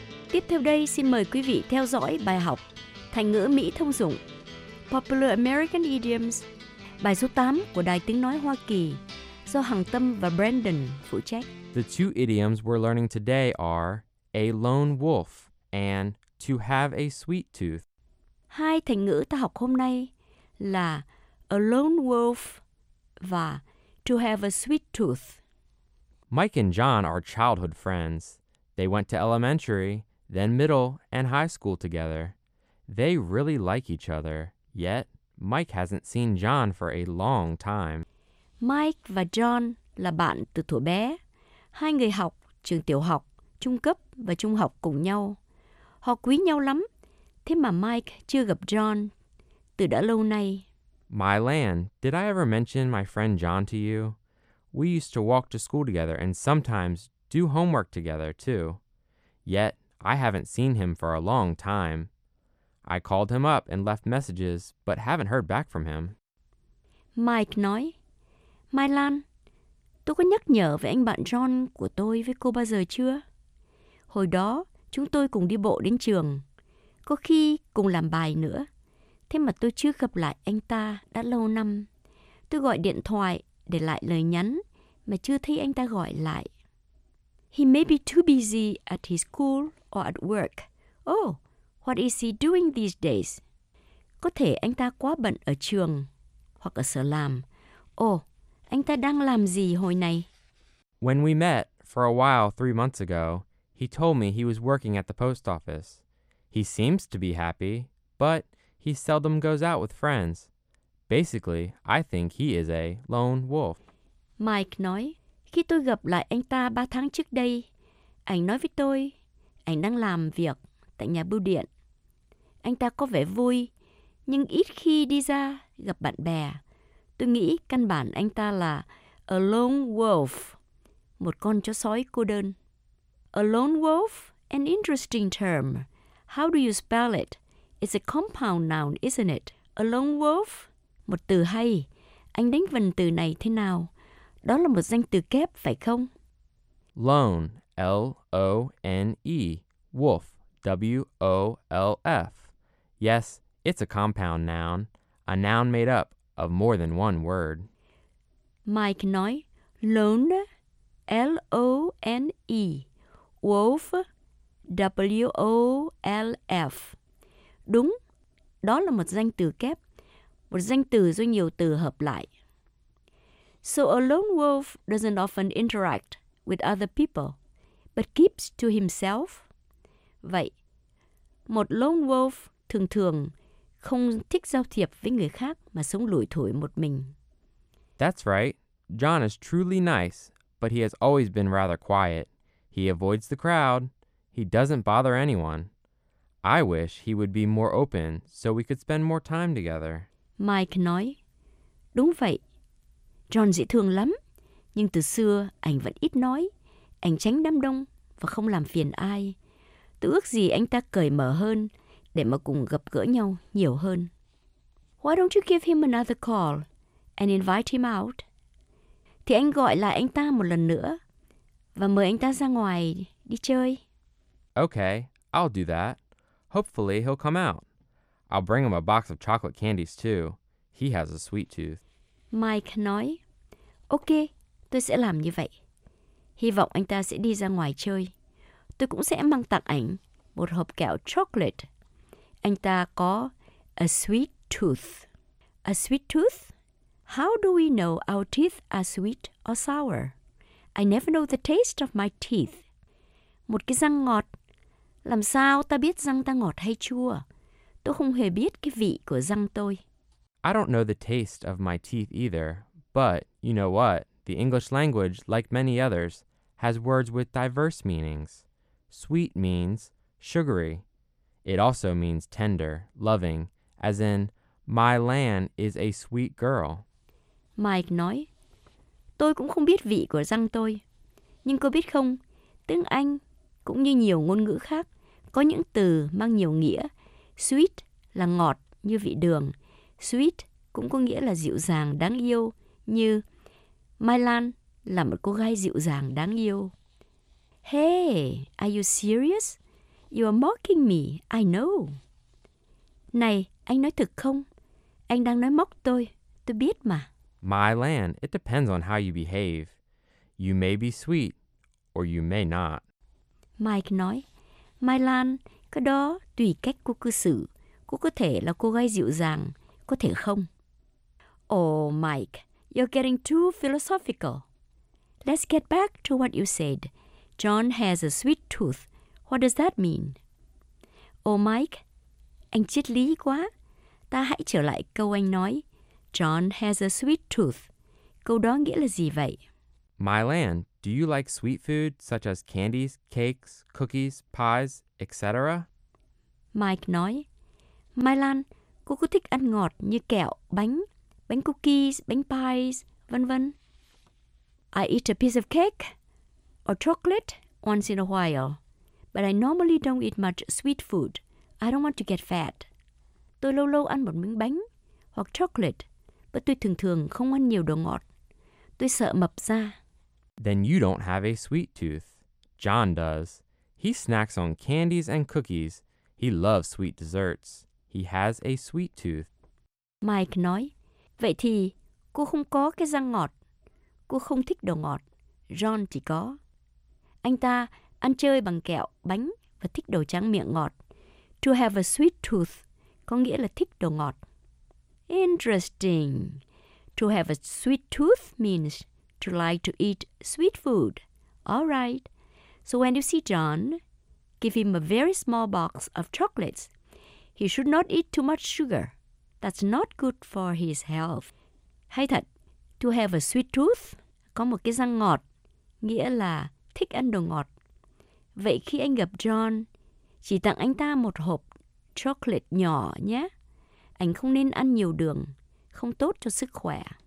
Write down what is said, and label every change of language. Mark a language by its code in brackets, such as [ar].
[vi] Tiếp theo đây xin mời quý vị theo dõi bài học thành ngữ Mỹ thông dụng, Popular American Idioms, bài số 8 của Đài Tiếng Nói Hoa Kỳ, do Hằng Tâm và Brandon phụ trách. [en] The two idioms we're learning today are a lone wolf and to have a sweet tooth. [vi] Hai thành ngữ ta học hôm nay là a lone wolf và to have a sweet tooth. [en] Mike and John are childhood friends. They went to elementary, then middle and high school together. They really like each other, yet Mike hasn't seen John for a long time. [vi] Mike và John là bạn từ thuở bé. Hai người học trường tiểu học, trung cấp và trung học cùng nhau. Họ quý nhau lắm, thế mà Mike chưa gặp John từ đã lâu nay. [en] My Lan, did I ever mention my friend John to you? We used to walk to school together and sometimes do homework together too. Yet, I haven't seen him for a long time. I called him up and left messages, but haven't heard back from him. [vi] Mike nói, My Lan, tôi có nhắc nhở về anh bạn John của tôi với cô bao giờ chưa? Hồi đó, chúng tôi cùng đi bộ đến trường, có khi cùng làm bài nữa. Thế mà tôi chưa gặp lại anh ta đã lâu năm. Tôi gọi điện thoại để lại lời nhắn mà chưa thấy anh ta gọi lại. [en] He may be too busy at his school or at work. Oh, what is he doing these days? [vi] Có thể anh ta quá bận ở trường hoặc ở sở làm. Oh, anh ta đang làm gì hồi này? [en] When we met for a while 3 months ago, he told me he was working at the post office. He seems to be happy, but he seldom goes out with friends. Basically, I think he is a lone wolf. [vi] Mike nói, khi tôi gặp lại anh ta 3 tháng trước đây, anh nói với tôi, anh đang làm việc tại nhà bưu điện. Anh ta có vẻ vui, nhưng ít khi đi ra gặp bạn bè. Tôi nghĩ căn bản anh ta là a lone wolf, một con chó sói cô đơn. [en] A lone wolf, an interesting term. How do you spell it? It's a compound noun, isn't it? A lone wolf? [vi] Một từ hay. Anh đánh vần từ này thế nào? Đó là một danh từ kép, phải không? [en] Lone, L-O-N-E, wolf, W-O-L-F. Yes, it's a compound noun, a noun made up of more than one word. [vi] Mike nói, lone, L-O-N-E, wolf, W-O-L-F. Đúng, đó là một danh từ kép, một danh từ do nhiều từ hợp lại. [en] So a lone wolf doesn't often interact with other people, but keeps to himself. [vi] Vậy, một lone wolf thường thường không thích giao thiệp với người khác mà sống lủi thủi một mình. [en] That's right. John is truly nice, but he has always been rather quiet. He avoids the crowd. He doesn't bother anyone. I wish he would be more open so we could spend more time together. [vi] Mike nói, đúng vậy. John dễ thương lắm, nhưng từ xưa anh vẫn ít nói. Anh tránh đám đông và không làm phiền ai. Tôi ước gì anh ta cởi mở hơn để mà cùng gặp gỡ nhau nhiều hơn. [en] Why don't you give him another call and invite him out? [vi] Thì anh gọi lại anh ta một lần nữa và mời anh ta ra ngoài đi chơi. [en] Okay, I'll do that. Hopefully he'll come out. I'll bring him a box of chocolate candies too. He has a sweet tooth. [vi] Mike nói, ok, tôi sẽ làm như vậy. Hy vọng anh ta sẽ đi ra ngoài chơi. Tôi cũng sẽ mang tặng ảnh một hộp kẹo chocolate. Anh ta có [en] a sweet tooth. A sweet tooth? How do we know our teeth are sweet or sour? I never know the taste of my teeth. [vi] Một cái răng ngọt. Làm sao ta biết răng ta ngọt hay chua? Tôi không hề biết cái vị của răng tôi. [en] I don't know the taste of my teeth either, but you know what? The English language, like many others, has words with diverse meanings. Sweet means sugary. It also means tender, loving, as in, my Lan is a sweet girl. [vi] Mike nói, tôi cũng không biết vị của răng tôi. Nhưng cô biết không, tiếng Anh cũng như nhiều ngôn ngữ khác có những từ mang nhiều nghĩa. Sweet là ngọt như vị đường. Sweet cũng có nghĩa là dịu dàng, đáng yêu, như My Lan là một cô gái dịu dàng, đáng yêu. [en] Hey, are you serious? You are mocking me, I know. [vi] Này, anh nói thực không? Anh đang nói móc tôi biết mà. [en] My land, it depends on how you behave. You may be sweet, or you may not. [vi] Mike nói, My land, cái đó tùy cách cô cư xử. Cô có thể là cô gái dịu dàng, có thể không. [en] Oh, Mike, you're getting too philosophical. Let's get back to what you said. John has a sweet tooth. What does that mean? Oh, Mike, [vi] anh triết lý quá. Ta hãy trở lại câu anh nói. [en] John has a sweet tooth. [vi] Câu đó nghĩa là gì vậy? [en] My land, do you like sweet food such as candies, cakes, cookies, pies, etc.? [vi] Mike nói, My land, cô có thích ăn ngọt như kẹo, bánh, bánh cookies, bánh pies, vân vân. [en] I eat a piece of cake or chocolate once in a while, but I normally don't eat much sweet food. I don't want to get fat. [vi] Tôi lâu lâu ăn một miếng bánh hoặc chocolate, but tôi thường thường không ăn nhiều đồ ngọt. Tôi sợ mập ra. [en] Then you don't have a sweet tooth. John does. He snacks on candies and cookies. He loves sweet desserts. He has a sweet tooth. [vi] Mike nói, Vậy thì, cô không có cái răng ngọt. Cô không thích đồ ngọt. John thì có. Anh ta ăn chơi bằng kẹo, bánh và thích đồ tráng miệng ngọt. To have a sweet tooth có nghĩa là thích đồ ngọt. [en] Interesting. To have a sweet tooth means to like to eat sweet food. All right. So when you see John, give him a very small box of chocolates. He should not eat too much sugar. That's not good for his health. [vi] Hay thật, to have a sweet tooth, có một cái răng ngọt, nghĩa là thích ăn đồ ngọt. Vậy khi anh gặp John, chỉ tặng anh ta một hộp chocolate nhỏ nhé. Anh không nên ăn nhiều đường, không tốt cho sức khỏe.